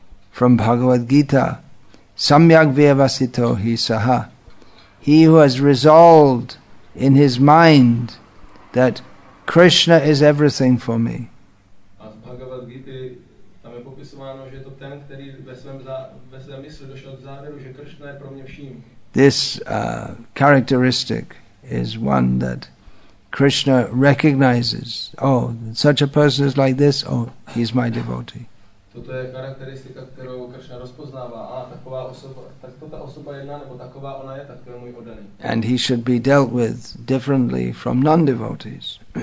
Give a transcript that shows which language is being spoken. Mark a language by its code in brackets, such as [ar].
[en] From Bhagavad Gita, [sa] samyak vyavasito hi saha, [en] he who has resolved in his mind that Krishna is everything for me. [cs] A z Bhagavad Gita tam je popisováno, že je to ten, který ve svém mysli došel k závěru, že Krishna je pro mě vším. [en] This characteristic is one that Krishna recognizes. Oh, such a person is like this. Oh, he is my devotee. [cs] Toto je charakteristika, kterou Krishna rozpoznává. Taková osoba, tak to ta osoba jedna, nebo taková ona je, tak to je můj oddaný. [en] And he should be dealt with differently from non-devotees.